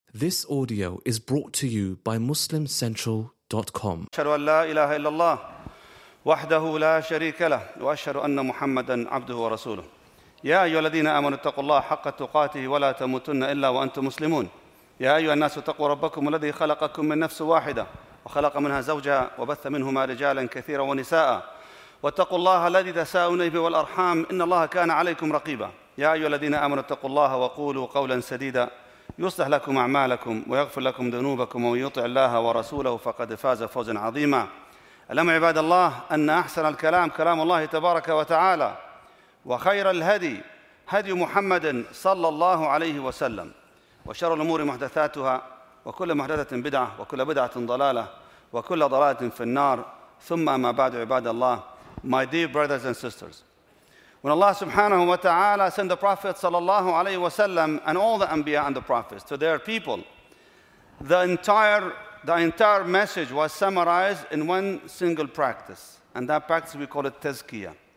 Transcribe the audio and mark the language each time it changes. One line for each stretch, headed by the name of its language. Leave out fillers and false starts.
English: This audio is brought to you by MuslimCentral.com.
Arabic: أشهد أن لا إله إلا الله وحده لا شريك له وأشهد أن محمدا عبده ورسوله. يا أيها الذين آمنوا اتقوا الله حق تقاته ولا تموتن إلا وأنتم مسلمون. يا أيها الناس اتقوا ربكم الذي خلقكم من نفس واحدة وخلق منها زوجها وبث منهما رجالا كثيرا ونساء. واتقوا الله الذي تساءلون به والأرحام إن الله كان عليكم رقيبا. يا أيها الذين آمنوا اتقوا الله وقولوا قولا سديدا يصلح لكم أعمالكم ويغفر لكم ذنوبكم ومن يطع الله ورسوله فقد فاز فوزا عظيما. ألم عباد الله أن أحسن الكلام كلام الله تبارك وتعالى وخير الهدي هدي محمد صلى الله عليه وسلم وشر الأمور محدثاتها وكل محدثة بدعة وكل بدعة ضلالة وكل ضلالة في النار ثم أما بعد عباد الله.
English: My dear brothers and sisters, when Allah subhanahu wa ta'ala sent the Prophet sallallahu alayhi wa sallam and all the Anbiya and the Prophets to their people, the entire message was summarized in one single practice, and that practice we call it tazkiyah.